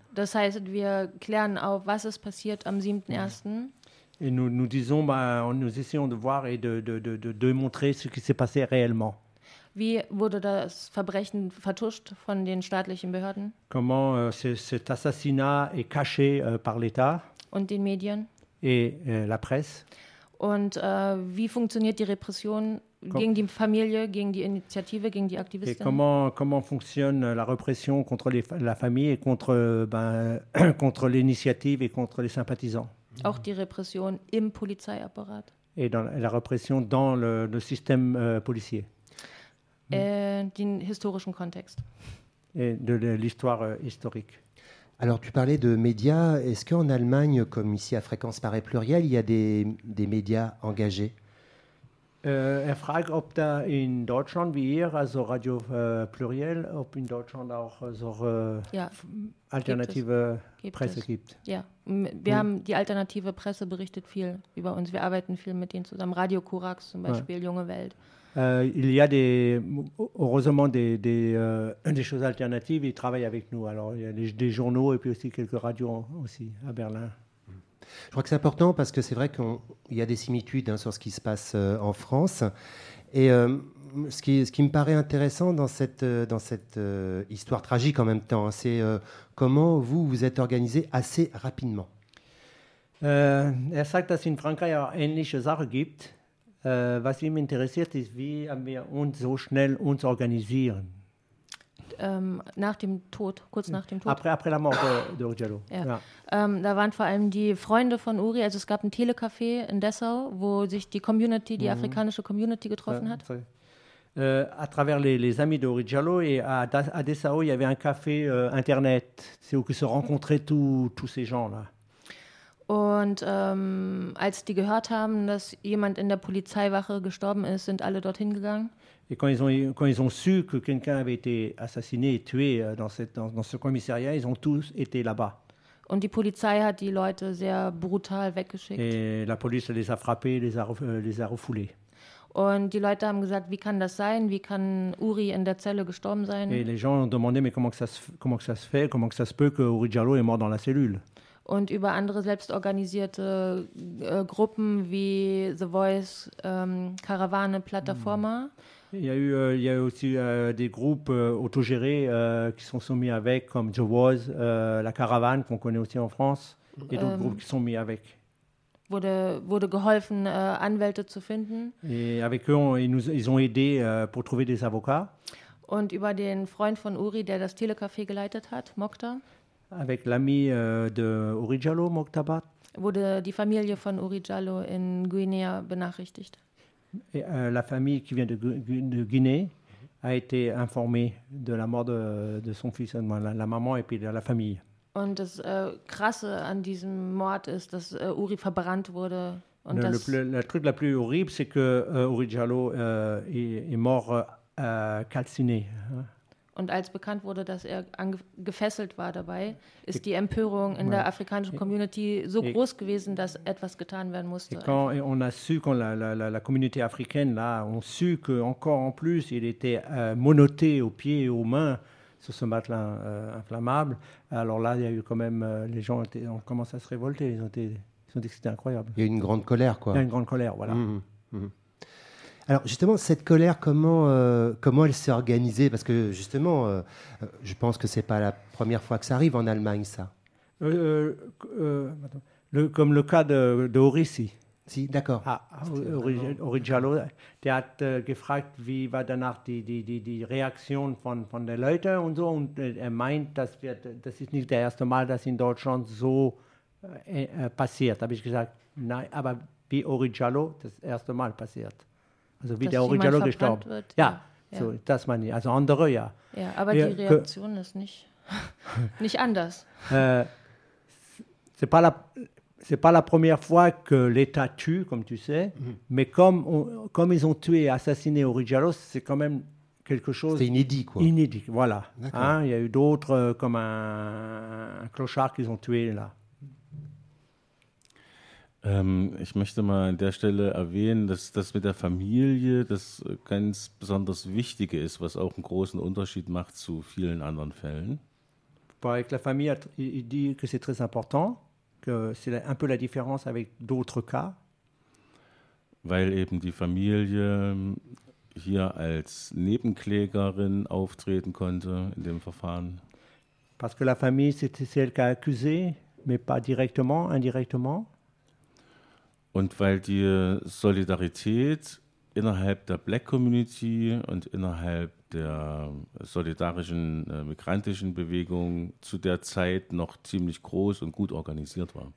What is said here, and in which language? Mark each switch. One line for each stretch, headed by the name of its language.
German: Das heißt, wir klären auf, was ist passiert am 7.1.
French: Et nous disons, nous essayons de voir et de montrer ce qui s'est passé réellement.
German: Wie wurde das Verbrechen vertuscht von den staatlichen Behörden?
French: Comment cet assassinat est caché par l'État?
German: Und den Medien?
French: Et la presse?
German: Und wie funktioniert die Repression gegen die Familie, gegen die Initiative, gegen die Aktivisten?
French: Et comment fonctionne la répression contre la famille et contre l'initiative et contre les sympathisants?
German: Auch die Repression im Polizeiapparat.
French: Et dans la répression dans le système policier.
German: Den historischen Kontext.
French: Et de l'histoire historique. Alors, tu parlais de médias. Est-ce qu'en Allemagne, comme ici à Fréquence Paris Pluriel, il y a des médias engagés?
German: Er fragt, ob da in Deutschland wie hier, also Radio Pluriel, ob in Deutschland auch so alternative Presse gibt. Ja, wir haben die alternative Presse berichtet viel über uns. Wir arbeiten viel mit denen zusammen. Radio Kurax zum Beispiel, Junge Welt.
French: Il y a des, heureusement des choses alternatives, ils travaillent avec nous. Alors il y a des journaux et puis aussi quelques radios aussi à Berlin. Je crois que c'est important parce que c'est vrai qu'il y a des similitudes sur ce qui se passe en France. Et ce qui me paraît intéressant dans cette histoire tragique en même temps, c'est comment vous êtes organisé assez rapidement.
German: Er sagt, dass in Frankreich auch ähnliche Sachen gibt. Was ihm interessiert ist, wie haben wir uns so schnell uns organisieren? Nach dem Tod, kurz nach dem Tod.
French: Après la mort de Urgello.
German: Ja. Ja. Da waren vor allem die Freunde von Uri, also es gab ein Telecafé in Dessau, wo sich die Community, die afrikanische Community getroffen hat.
French: À travers les amis de Urgello et à Dessau, il y avait un café internet, c'est où se rencontraient tous ces gens-là.
German: Und als die gehört haben, dass jemand in der Polizeiwache gestorben ist, sind alle dorthin gegangen.
French: Et quand ils ont su que quelqu'un avait été assassiné et tué dans ce commissariat, ils ont tous été là-bas.
German: Und die Polizei hat die Leute sehr brutal weggeschickt.
French: Et la police les a frappés, les a refoulés.
German: Und die Leute haben gesagt, wie kann das sein? Wie kann Uri in der Zelle gestorben sein?
French: Et les gens ont demandé, mais comment ça se peut que Uri Diallo est mort dans la cellule?
German: Und über andere selbstorganisierte Gruppen wie The Voice, Karawane, Plataforma.
French: Il y a aussi des groupes autogérés qui sont soumis avec, comme The Voice, La Caravane, qu'on connaît aussi en France, et d'autres groupes qui sont mis avec.
German: Wurde geholfen, Anwälte zu finden.
French: Et avec eux, ils ont aidé pour trouver des avocats.
German: Und über den Freund von Uri, der das Telecafé geleitet hat, Mokhtar.
French: Avec l'ami de Uri Diallo, Mokhtar.
German: Wurde die Familie von Uri Diallo in Guinea benachrichtigt.
French: Et, la famille qui vient de Guinée a été informée de la mort de son fils, la maman et puis de la famille.
German: Und das Krasse an diesem Mord ist, dass Uri verbrannt wurde. Und
French: le truc le plus horrible, c'est que Uri Diallo est mort calciné.
German: Und als bekannt wurde, dass er gefesselt war dabei, ist die Empörung in der afrikanischen Community so groß gewesen, dass etwas getan werden musste.
French: Et on a su quand la communauté africaine là, on su que encore en plus, il était monoté aux pieds et aux mains sur ce matelas inflammable. Alors là, il y a eu quand même les gens ont commencé à se révolter. Ils ont dit que c'était incroyable. Il y a une grande colère, quoi. Il y a une grande colère, voilà. Alors justement, cette colère, comment elle s'est organisée? Parce que justement, je pense que ce n'est pas la première fois que ça arrive en Allemagne, ça. Comme le cas de Orissi. Si, d'accord.
German: Ah, Uri Diallo, der hat gefragt, wie war danach die Reaktion von den Leuten und so. Und er meint, das ist nicht das erste Mal, dass in Deutschland so passiert. Habe ich gesagt, nein, aber wie Uri Diallo das erste Mal passiert. Also wie dass der Uri Diallo gestorben wird. Ja, ja. So, das meine ich. Also andere, ja. Ja, aber die Reaktion ist nicht anders.
French: C'est pas la première fois que l'État tue, comme tu sais, mais comme ils ont tué et assassiné Uri Diallo, c'est quand même quelque chose... C'est inédit, quoi. Inédit, voilà. Hein, il y a eu d'autres, comme un clochard qu'ils ont tué, là.
German: Ich möchte mal an der Stelle erwähnen, dass das mit der Familie das ganz besonders Wichtige ist, was auch einen großen Unterschied macht zu vielen anderen Fällen.
French: Avec la famille, il dit que c'est très important, que c'est un peu la différence avec d'autres cas.
German: Weil eben die Familie hier als Nebenklägerin auftreten konnte in dem Verfahren.
French: Parce que la famille, c'était celle qui a accusé, mais pas directement, indirectement.
German: Und weil die Solidarität innerhalb der Black Community und innerhalb der solidarischen migrantischen Bewegung zu der Zeit noch ziemlich groß und gut organisiert war.